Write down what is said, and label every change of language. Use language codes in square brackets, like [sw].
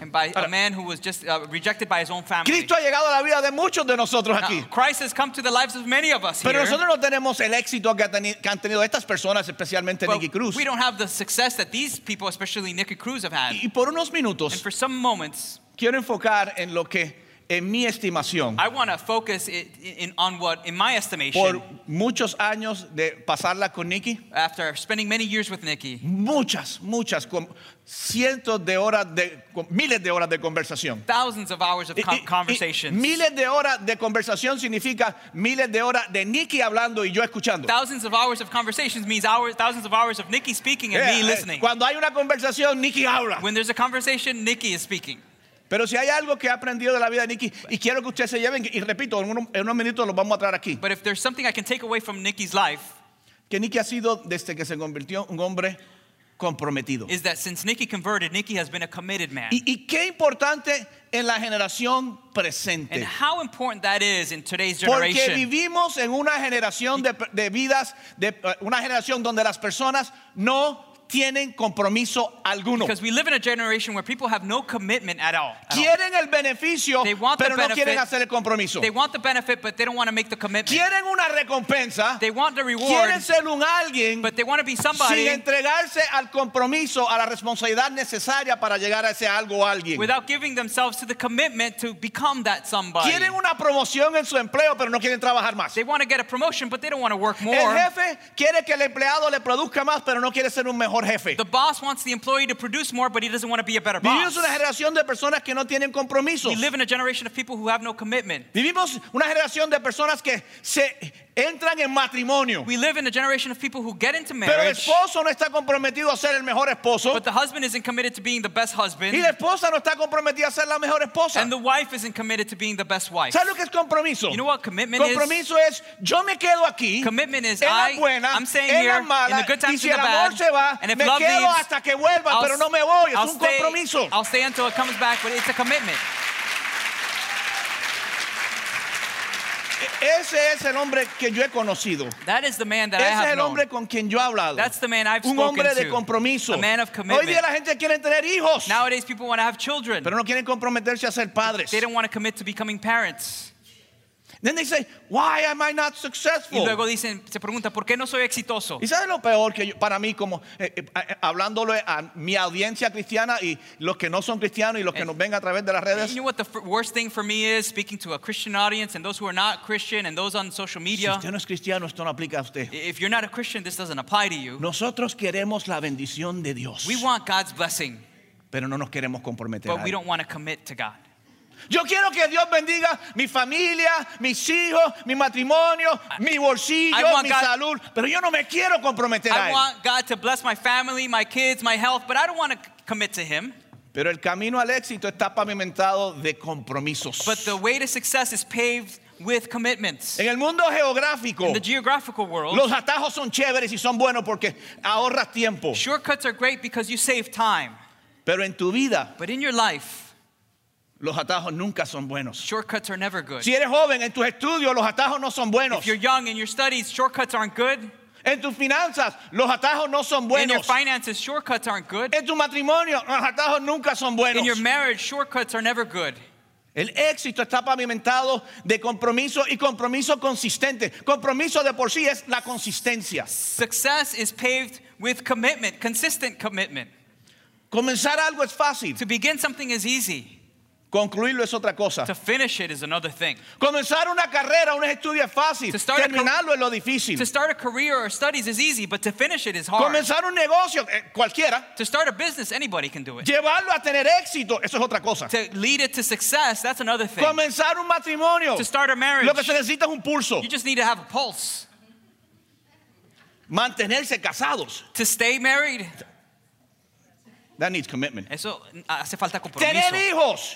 [en] And by a man who was just rejected by his own family. [es] Cristo ha llegado a la vida de muchos de nosotros aquí. [en] Now, Christ has come to the lives of many of us here. [es] Pero nosotros no tenemos el éxito que han tenido estas personas, especialmente Nicky Cruz. [en] We don't have the success that these people, especially Nicky Cruz, have had. [es] Y por unos minutos. [en] And for some moments. [es] Quiero enfocar en lo que. En mi estimación, [en] I want to focus on what, in my estimation, [es] por muchos años de pasarla con Nikki, [en] after spending many years with Nikki, [es] muchas, cientos de horas de miles de horas de conversación, [en] thousands of hours of conversations, [es] miles de horas de conversación significa miles de horas de Nikki hablando y yo escuchando. [en] Thousands of hours of conversations means hours, thousands of hours of Nikki speaking and me listening. [es] Cuando hay una conversación, Nikki habla. [en] When there's a conversation, Nikki is speaking. [es] Pero si hay algo que he aprendido de la vida de Nikki y quiero que ustedes se lleven, y repito, en unos minutos lo vamos a traer aquí. [en] But if there's something I can take away from Nikki's life, [es] que Nikki ha sido desde que se convirtió un hombre comprometido. [en] Is that since Nikki converted, Nikki has been a committed man. [es] Y qué importante en la generación presente. [en] And how important that is in today's generation. [es] Porque vivimos en una generación de vidas, de una generación donde las personas no tienen compromiso alguno. [en] Because we live in a generation where people have no commitment at all. [es] Quieren el beneficio, pero no quieren hacer el compromiso. [en] They want the benefit, but they don't want to make the commitment. [es] Quieren una recompensa. [en] They want the reward. [es] Quieren ser un alguien, [en] but they want to be somebody. [es] Sin entregarse al compromiso, a la responsabilidad necesaria para llegar a ese algo o alguien. [en] Without giving themselves to the commitment to become that somebody. [es] Quieren una promoción en su empleo, pero no quieren trabajar más. [en] They want to get a promotion, but they don't want to work more. [es] El jefe quiere que el empleado le produzca más, pero no quiere ser un mejor. [en] The boss wants the employee to produce more, but he doesn't want to be a better boss. [es] Vivimos una generación de personas que no tienen compromisos. [en] We live in a generation of people who have no commitment. [es] Vivimos una generación de personas que se entran en matrimonio. [en] We live in a generation of people who get into marriage. [es] Pero el esposo no está comprometido a ser el mejor esposo. [en] But the husband isn't committed to being the best husband. [es] Y la esposa no está comprometida a ser la mejor esposa. [en] And the wife isn't committed to being the best wife. [es] ¿Sabes lo que es compromiso? [en] You know what commitment is? [es] Compromiso es yo me quedo aquí. [en] Commitment is I'm staying here in the good times and the bad. [es] Se va, [en] and if love leaves, [es] hasta que vuelva, pero no me voy. Es un compromiso. [en] I'll stay until it comes back, but it's a commitment. [es] Ese es el hombre que yo he conocido. [en] That is the man that [es] ese [en] I have [es] es el hombre [en] known. [es] Con quien yo he hablado. [en] That's the man I've [es] un hombre de compromiso. [en] A man of commitment. [es] Hoy día la gente quiere tener hijos. [en] Nowadays people want to have children. [es] Pero no quieren comprometerse a ser padres. [en] They don't want to commit to becoming parents. Then they say, "Why am I not successful?" [es] Y luego dicen, se pregunta, ¿por qué no soy exitoso? ¿Y sabes lo peor que yo, para mí como hablándolo a mi audiencia cristiana y los que no son cristianos y los que nos ven a través de las redes? [en] You know what the worst thing for me is speaking to a Christian audience and those who are not Christian and those on social media. [es] Si usted no es cristiano, esto no aplica a usted. [en] If you're not a Christian, this doesn't apply to you. [es] Nosotros queremos la bendición de Dios. [en] We want God's blessing. [es] Pero no nos queremos comprometer. [en] But we don't want to commit to God. [es] Yo quiero que Dios bendiga mi familia, mis hijos, mi matrimonio, mi bolsillo, mi salud, pero yo no me quiero comprometer a él. [en] I want God to bless my family, my kids, my health, but I don't want to commit to him. [es] Pero el camino al éxito está pavimentado de compromisos. [en] But the way to success is paved with commitments. [es] En el mundo geográfico, [en] in the geographical world, [es] los atajos son chéveres y son buenos porque ahorras tiempo. [en] Shortcuts are great because you save time. [es] Pero en tu vida, [en] but in your life, [es] los atajos nunca son buenos. [en] Shortcuts are never good. [es] Si eres joven en tus estudios, los atajos no son buenos. [en] If you're young in your studies, shortcuts aren't good. [es] En tus finanzas, los atajos no son buenos. [en] In your finances, shortcuts aren't good. [es] En tu matrimonio, los atajos nunca son buenos. [en] In your marriage, shortcuts are never good. [es] El éxito está pavimentado de compromiso y compromiso consistente. Compromiso de por sí es la consistencia. [en] Success is paved with commitment, consistent commitment. [es] Comenzar algo es fácil. [en] To begin something is easy. [es] Concluirlo es otra cosa. [en] To finish it is another thing. [es] Comenzar una carrera, un estudio es fácil. Terminarlo es lo difícil. [en] To start a career or studies is easy, but to finish it is hard. [es] Comenzar un negocio, cualquiera. [en] To start a business, anybody can do it. [es] Llevarlo a tener éxito, eso es otra cosa. [en] To lead it to success, that's another thing. [es] Comenzar un matrimonio. [en] To start a marriage. [es] Lo que se necesita es un pulso. [en] You just need to have a pulse. [es] Mantenerse casados. [en] To stay married. That needs commitment. [es] Eso hace falta compromiso. Tener hijos.